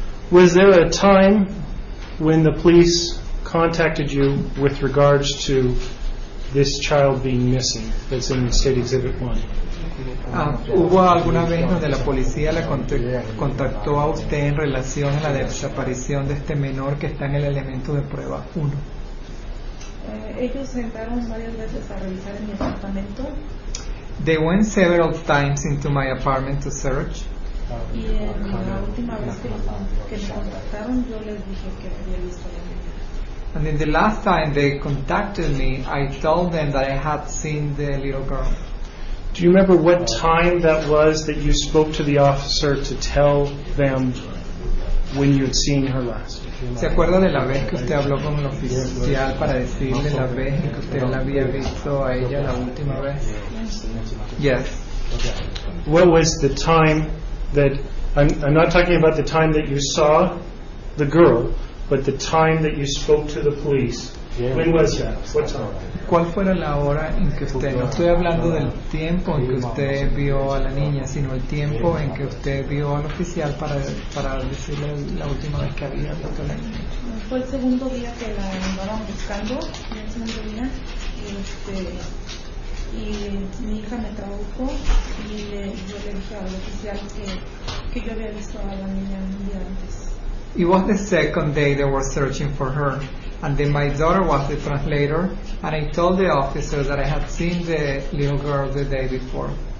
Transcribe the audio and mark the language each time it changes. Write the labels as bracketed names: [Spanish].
[English] Was there a time when the police contacted you with regards to this child being missing that's in State Exhibit 1? [Spanish] ¿Hubo alguna vez donde la policía la contactó a usted en relación a la desaparición de este menor que está en el elemento de prueba 1? Ellos entraron varias veces a revisar en mi apartamento. [English] They went several times into my apartment to search. [Spanish] Y en la última vez que me contactaron, yo les dije que había visto la niña. [English] And in the last time they contacted me, I told them that I had seen the little girl. Do you remember what time that was that you spoke to the officer to tell them when you had seen her last? [Spanish] ¿Se acuerda de la vez que usted habló con el oficial para decirle la vez que usted la había visto a ella la última vez? [English] Yes. What was the time that I'm not talking about the time that you saw the girl, but the time that you spoke to the police? When was that? What time? [Spanish] ¿Cuál fue la hora en que usted? No estoy hablando del tiempo en que usted vio a la niña, sino el tiempo en que usted vio al oficial para decirle la última vez que había visto a la niña. Fue el segundo día que la andaban buscando, el segundo día, y y mi hija me tradujo y le, yo le dije al oficial que yo había visto a la niña un día antes. [English] It was the second day they were searching for her, and then my daughter was the translator, and I told the officer that I had seen the little girl the day before.